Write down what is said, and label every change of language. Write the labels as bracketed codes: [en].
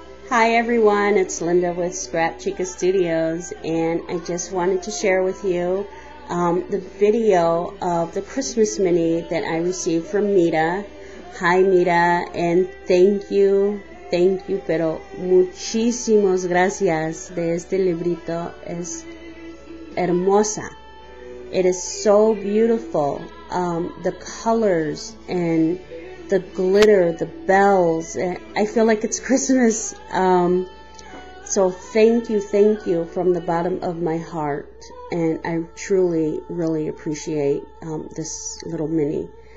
[en] Hi everyone, it's Linda with Scrap Chica Studios, and I just wanted to share with you the video of the Christmas mini that I received from Mita. Hi Mita, and thank you, [es] pero muchísimas gracias de este librito, es hermosa. [en] It is so beautiful, the colors and the glitter, the bells, I feel like it's Christmas. So thank you from the bottom of my heart. And I truly, really appreciate this little mini.